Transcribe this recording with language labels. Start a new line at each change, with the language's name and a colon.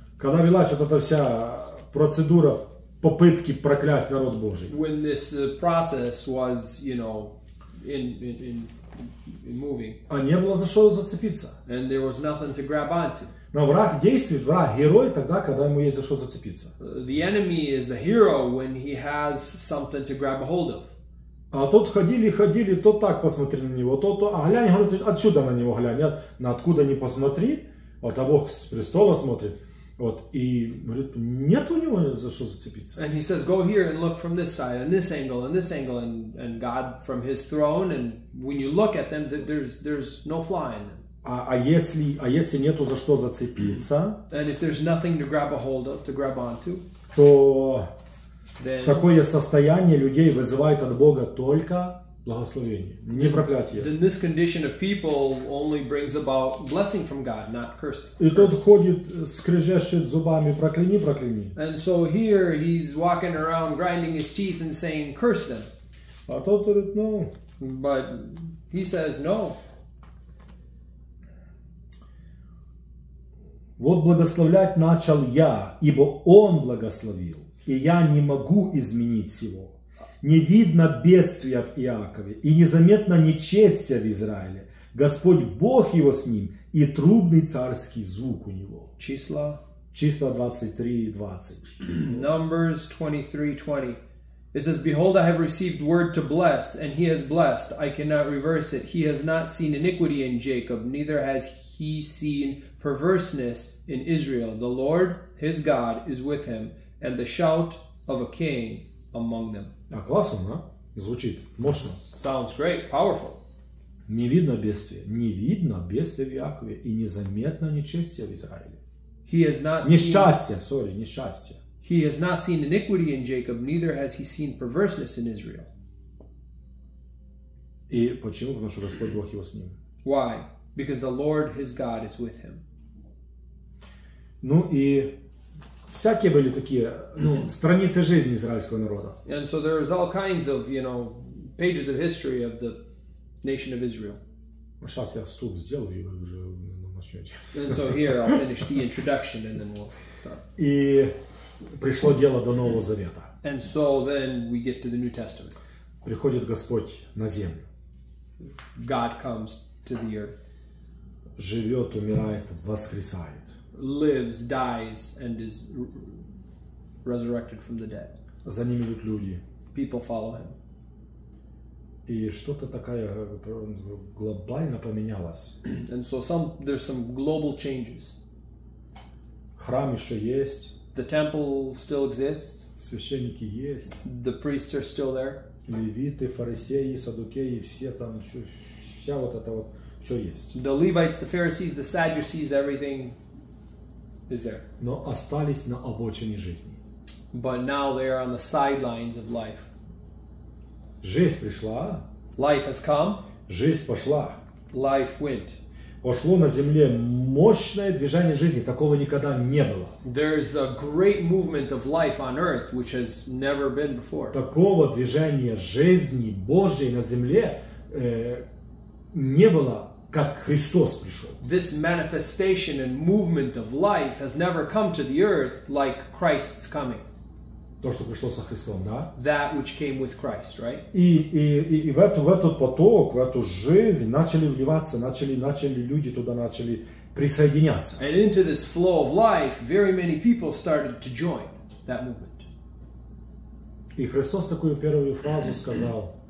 Russian: когда велась вот эта вся процедура попытки проклясть народ Божий.
English: When this process was, you know, in moving.
Russian: А не было за что зацепиться.
English: And there was nothing to grab onto.
Russian: Но враг действует, враг герой тогда, когда ему есть за что зацепиться.
English: The enemy is the hero when he has something to grab a hold of.
Russian: А тот ходили, то так посмотри на него, то, а глянь, говорит, отсюда на него глянь, на откуда не посмотри, вот, а Бог с престола смотрит, Вот, и говорит, нет у него за что зацепиться.
English: And he says, go here and look from this side, and this angle, and God from his throne, and when you look at them, there's no fly in them.
Russian: А если нету за что зацепиться,
English: and if there's nothing to grab a hold of, to grab onto,
Russian: то
English: then,
Russian: такое состояние людей вызывает от Бога только благословение, не проклятие.
English: Then this condition of people only brings about blessing from God, not cursing.
Russian: И тот ходит, скрежещет зубами, прокляни.
English: And so here he's walking around grinding his teeth and saying, curse them.
Russian: А тот говорит, ну.
English: But he says, no.
Russian: Вот благословлять начал я, ибо он благословил, и я не могу изменить сего. Не видно бедствия в Иакове, и незаметно нечестия в Израиле. Господь Бог его с ним, и трубный царский звук у него. Числа 23:20.
English: Numbers 23:20. It says, behold, I have received word to bless, and he has blessed. I cannot reverse it. He has not seen iniquity in Jacob, neither has he seen perverseness in Israel. The Lord, his God, is with him, and the shout of a king among them.
Russian: А классно, да? Звучит мощно.
English: Sounds great, powerful.
Russian: Не видно бедствия в Иакове и незаметно нечестия в Израиле.
English: He has not
Russian: несчастье,
English: seen... sorry,
Russian: несчастье.
English: He has not seen iniquity in Jacob, neither has he seen perverseness in Israel.
Russian: И почему? Потому что Господь Бог его с ним.
English: Why? Because the Lord his God is with him.
Russian: Ну и всякие были такие, ну, страницы жизни израильского народа.
English: And so there's all kinds of, you know, pages of history of the nation of Israel.
Russian: Сейчас я вступ сделаю, и вы уже начнете.
English: And so here I'll finish the introduction and then we'll start.
Russian: И пришло дело до Нового Завета.
English: And so then we get to the New Testament.
Russian: Приходит Господь на землю.
English: God comes to the earth.
Russian: Живет, умирает, воскресает.
English: Lives, dies, and is resurrected from the dead.
Russian: За ним идут люди.
English: People follow him.
Russian: И что-то такая глобально поменялось.
English: And so there's some global changes.
Russian: Храм еще есть.
English: The temple still exists.
Russian: Священники есть.
English: The priests are still there.
Russian: Левиты, фарисеи, садукеи, все там, вся вот это вот, все есть.
English: The Levites, the Pharisees, the Sadducees, everything. Is there?
Russian: Но остались на обочине жизни.
English: But now they are on the sidelines of life.
Russian: Жизнь пришла.
English: Life has come.
Russian: Жизнь пошла.
English: Life went.
Russian: Пошло на земле мощное движение жизни, такого никогда не было.
English: There's a great movement of life on earth, which has never been before.
Russian: Такого движения жизни Божьей на земле не было. Как Христос пришел.
English: This manifestation and movement of life has never come to the earth like Christ's coming.
Russian: То, что пришло со Христом, да?
English: That which came with Christ, right?
Russian: И в этот поток, в эту жизнь начали вливаться, начали люди туда начали присоединяться.
English: And into this flow of life, very many people started to join that movement.
Russian: И Христос такую первую фразу сказал.